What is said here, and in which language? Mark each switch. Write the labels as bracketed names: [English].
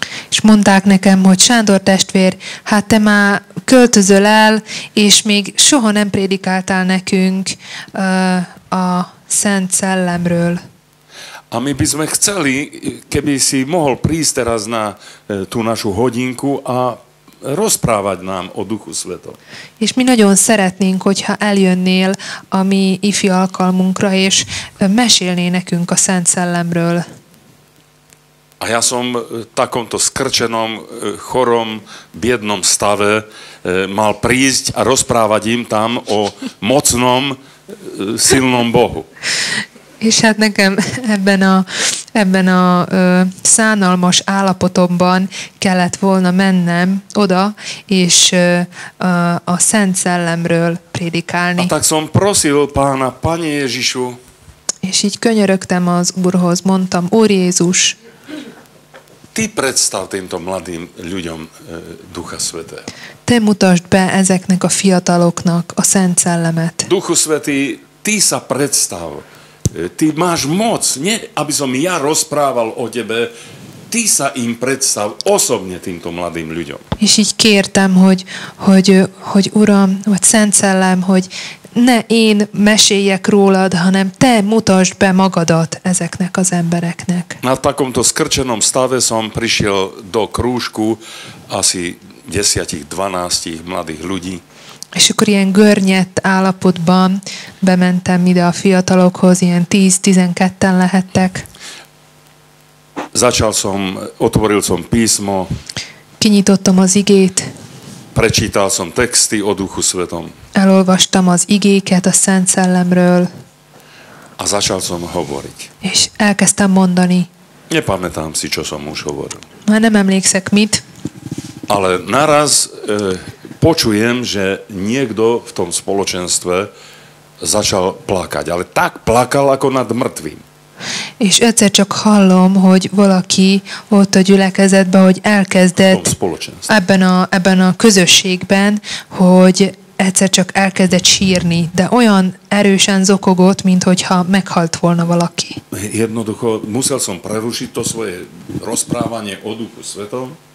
[Hungarian] És mondták nekem, hogy Sándor testvér, hát te már költözöl el, és még soha nem prédikáltál nekünk a Szent Szellemről. [Slovak] A mi bizme chceli, keby si mohol prísť teraz na tú našu hodinku a rozprávať nám o Duchu Svetom. [Hungarian] És mi nagyon szeretnénk, hogyha eljönnél a mi ifi alkalmunkra, és mesélné nekünk a Szent Szellemről. [Slovak] A ja som takomto skrčenom, chorom, biednom stave mal prísť a rozprávať im tam o mocnom, silnom Bohu. [Hungarian] És hát nekem ebben a szánalmas állapotomban kellett volna mennem oda, és a Szent Szellemről prédikálni. [Slovak] A tak som prosil pána, Pane Ježišu. [Hungarian] És így könyörögtem az Úrhoz, mondtam, Úr Jézus. [Slovak] Ty predstav týmto mladým ľuďom Ducha Svetého. [Hungarian] Te mutasd be ezeknek a fiataloknak a Szent Szellemet. [Slovak] Duchu Svetý, ty sa predstav. Ty máš moc, nie aby som ja rozprával o tebe, ty sa im predstav osobne týmto mladým ľuďom. [Hungarian] És így kértem, hogy Uram, vagy Szent Szellem, hogy ne én meséljek rólad, hanem te mutasd be magadat ezeknek az embereknek. [Slovak] Na takomto skrčenom stave som prišiel do krúžku asi 10-12 mladých ľudí. [Hungarian] És akkor ilyen görnyedt állapotban bementem ide a fiatalokhoz, ilyen 10-12-en lehettek. [Slovak] Začal som, otvoril som písmo. [Hungarian] Kinyitottam az igét. [Slovak] Prečítal som texty o Duchu Svetom. [Hungarian] Elolvastam az igéket a Szent Szellemről. [Slovak] A začal som hovoriť. [Hungarian] És elkezdtem mondani. [Slovak] Nepamätám si, čo som už hovoril. [Hungarian] Már nem emlékszek mit. [Slovak] Ale naraz počujem, že niekto v tom spoločenstve začal plakať. Ale tak plakal, ako nad mŕtvým. [Hungarian] És egyszer csak hallom, hogy valaki ott a gyülekezetben, hogy elkezdett ebben a közösségben, hogy egyszer csak elkezdett sírni, de olyan erősen zokogott, minthogyha meghalt volna valaki. [Slovak] Jednoducho musel som prerušiť to svoje rozprávanie o Duchu Svetom.